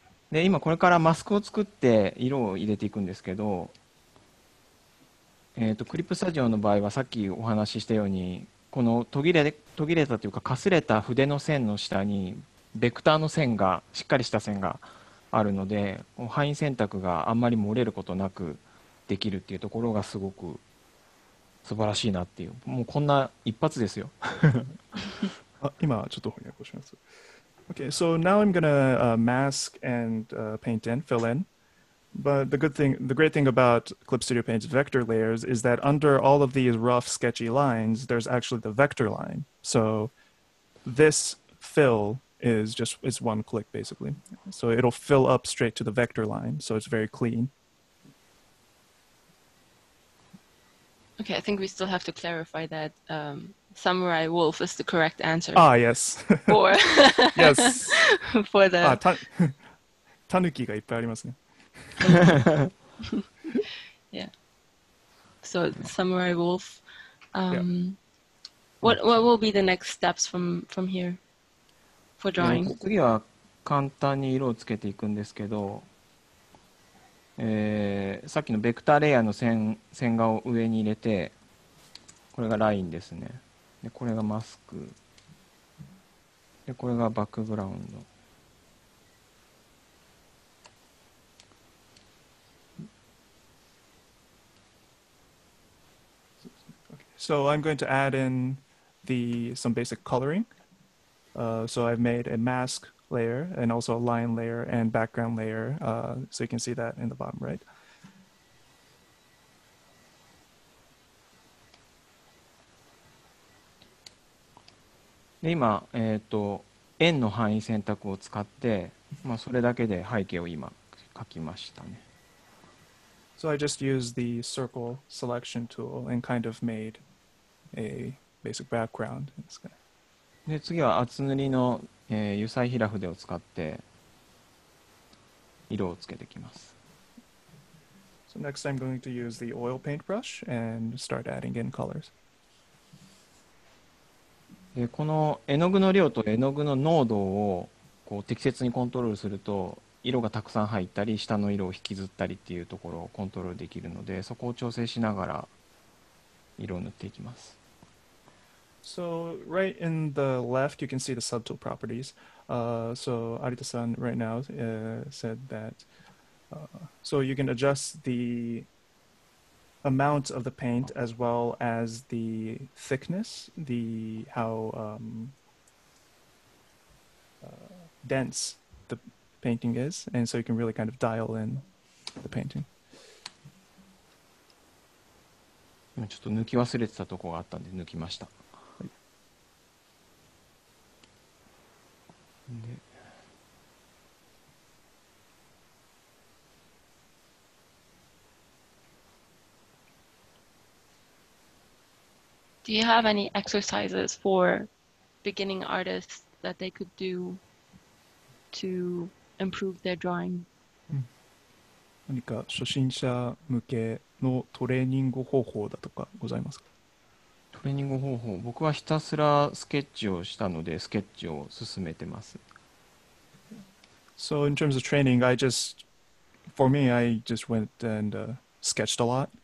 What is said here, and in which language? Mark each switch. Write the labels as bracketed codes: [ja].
[ja] で、今これからマスクを作って色を入れていくんですけど、クリップスタジオの場合はさっきお話ししたようにこの途切れたというかかすれた筆の線の下にベクターの線がしっかりした線があるので範囲選択があんまり漏れることなくできるっていうところがすごく素晴らしいなっていう、もうこんな一発ですよ。あ、今ちょっと翻訳をします。 [en] Okay, so now I'm gonna mask and paint and fill in. But the great thing about Clip Studio Paint's vector layers is that under all of these rough sketchy lines there's actually the vector line. So this fill is one click basically. So it'll fill up straight to the vector line. So it's very clean. Okay, I think we still have to clarify that Samurai Wolf is the correct answer. Ah, yes. For yes. For the [ja] Tanuki がいっぱいありますね。 [en] Yeah. So Samurai Wolf. Yeah. What will be the next steps from here? For drawing. [ja] 次は簡単に色をつけていくんですけど、さっきのベクターレイヤーの 線画を上に入れて、これがラインですね。でこれがマスク。でこれがバックグラウンド。 [en] So I'm going to add in some basic coloring. So I've made a mask layer and also a line layer and background layer. So you can see that in the bottom right. [ja] で今、円の範囲選択を使って、まあ、それだけで背景を今描きましたね。 [en] So I just used the circle selection tool and kind of made a basic background in this guy. うん。 [ja] で次は厚塗りの、油彩平筆を使って色をつけてきます。 [en] So next I'm going to use the oil paintbrush and start adding in colors. [ja] この絵の具の量と絵の具の濃度をこう適切にコントロールすると色がたくさん入ったり下の色を引きずったりっていうところをコントロールできるのでそこを調整しながら色を塗っていきます。 [en] So right in the left you can see the subtle properties. So Arita-san right now said thatSo you can adjust the amount of the paint as well as the thickness, the how dense the painting is, and so you can really kind of dial in the painting. [ja] ちょっと抜き忘れてたとこがあったんで抜きました。で。 [en] Do you have any exercises for beginning artists that they could do to improve their drawing? [ja] 何か初心者向けのトレーニング方法だとかございますか？トレーニング方法、僕はひたすらスケッチをしたのでスケッチを進めてます。 [en] So in terms of training, I just, for me, I just went and sketched a lot.